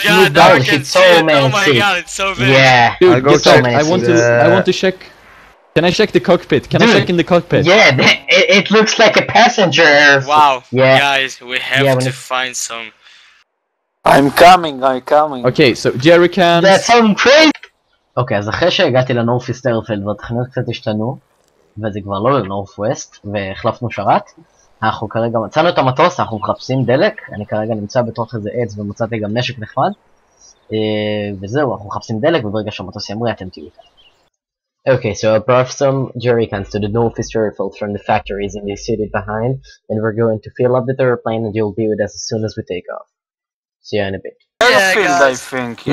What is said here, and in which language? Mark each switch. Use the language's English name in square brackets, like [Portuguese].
[English] Oh my god, I can see it. So oh my god, it's so bad. Yeah. Dude, I'll go check. I want to check. Can I check the cockpit? Can I check in the cockpit? Yeah, it looks like a passenger. Wow. Yeah. Guys, we have yeah, to find some. I'm coming. Okay, so jerry cans. That's some crazy. [Hebrew] Okay, אז אחרי שהגעתי לנורפי סטרפלד והתכניות קצת השתנו, וזה כבר לא לנורף ווסט, והחלפנו שרת, אנחנו כרגע מצאנו את המטוס, אנחנו מחפשים דלק, אני כרגע נמצא בתוך איזה עץ ומצאתי גם נשק נחמד, וזהו, אנחנו מחפשים דלק, וברגע שהמטוס ימרי אתם תהיו איתנו. [English] Okay, so I brought some jerry cans to the northeast airfield from the factories in the city behind, and we're going to fill up the airplane, and you'll be with us as soon as we take off. See you in a bit. Airfield, yeah, I think. Yeah.